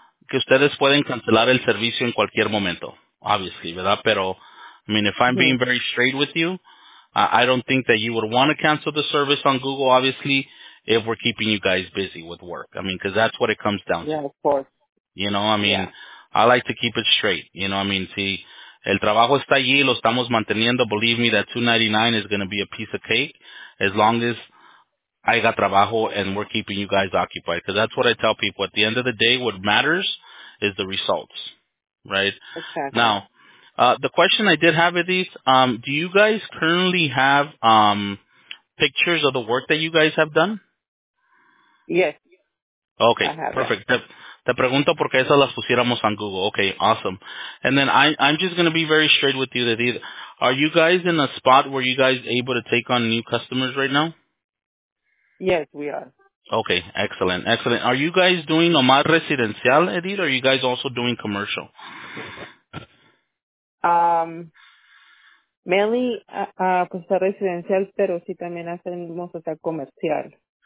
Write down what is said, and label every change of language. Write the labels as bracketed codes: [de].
[es] Que ustedes pueden cancelar el servicio en cualquier momento, obviously, ¿verdad? [en] Pero, I mean, if I'm being very straight with you, I don't think that you would want to cancel the service on Google, obviously, if we're keeping you guys busy with work. I mean, because that's what it comes down to. Yeah, of course. You know, I mean, yeah. I like to keep it straight. You know, I mean, [es] si el trabajo está allí, lo estamos manteniendo, [en] believe me, that $299 is going to be a piece of cake as long as I got trabajo and we're keeping you guys occupied. Because that's what I tell people. At the end of the day, what matters is the results, right? Okay. Now, the question I did have, Edith, do you guys currently have pictures of the work that you guys have done? Yes. Okay, I have perfect. That. [es] Te pregunto por qué esas las pusiéramos [en] on Google. Okay, awesome. And then I'm just going to be very straight with you, Edith. Are you guys in a spot where you guys able to take on new customers right now? Yes, we are. Okay, excellent, excellent. Are you guys doing nomad residencial, Edith, or are you guys also doing commercial? [es] Mainly, pues, residencial, pero sí también hacemos, o sea, comercial.